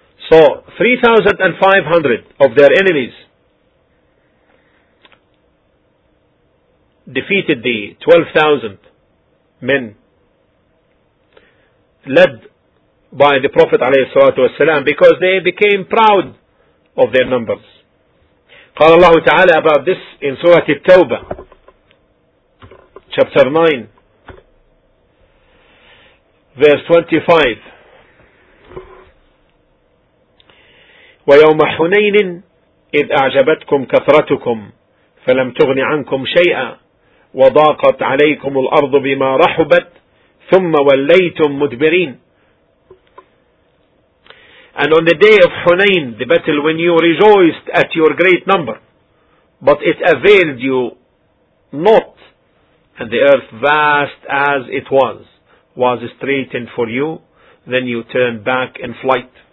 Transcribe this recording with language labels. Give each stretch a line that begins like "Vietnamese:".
English: So 3,500 of their enemies defeated the 12,000 men led by the Prophet ﷺ, because they became proud of their numbers.
Arabic: قال الله تعالى
English: about this in Surah At-Tawbah, chapter 9, verse 25.
Arabic: ويوم حنين إذ أعجبتكم كثرتكم فلم تغن عنكم شيئا وضاقت عليكم الأرض بما رحبت ثم وليتم مدبرين.
English: And on the day of Hunain, the battle, when you rejoiced at your great number, but it availed you not, and the earth vast as it was straightened for you, then you turned back in flight.